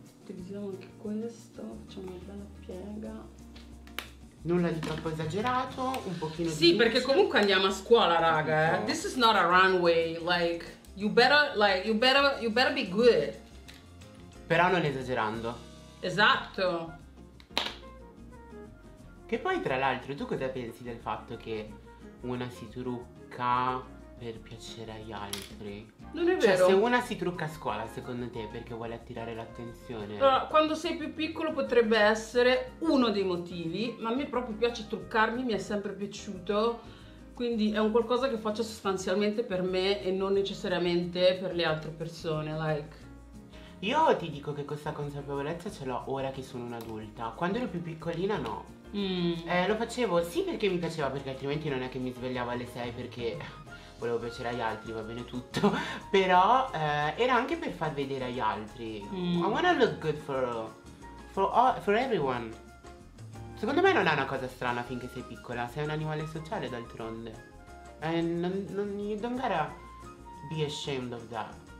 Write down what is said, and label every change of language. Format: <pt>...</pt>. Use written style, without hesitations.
<it>utilizziamo anche questo, facciamo una bella piega. Nulla di troppo esagerato, un pochino sì, di sì, perché comunque andiamo a scuola, raga, eh.</it> <en>This is not a runway, you better be good.</en> <it>Però non esagerando. Esatto. Che poi tra l'altro tu cosa pensi del fatto che una si trucca per piacere agli altri. Non è vero. Cioè, se una si trucca a scuola, secondo te, perché vuole attirare l'attenzione? Allora, quando sei più piccolo potrebbe essere uno dei motivi, ma a me proprio piace truccarmi, mi è sempre piaciuto. Quindi è un qualcosa che faccio sostanzialmente per me e non necessariamente per le altre persone, like. Io ti dico che questa consapevolezza ce l'ho ora che sono un'adulta. Quando ero più piccolina no. Lo facevo sì perché mi piaceva, perché altrimenti non è che mi svegliavo alle 6 perché volevo piacere agli altri, va bene tutto. Però era anche per far vedere agli altri.</it> <en>I wanna look good for everyone.</en> <it>Secondo me non è una cosa strana finché sei piccola, sei un animale sociale d'altronde. E non</it> <en>you don't gotta be ashamed of that.</en>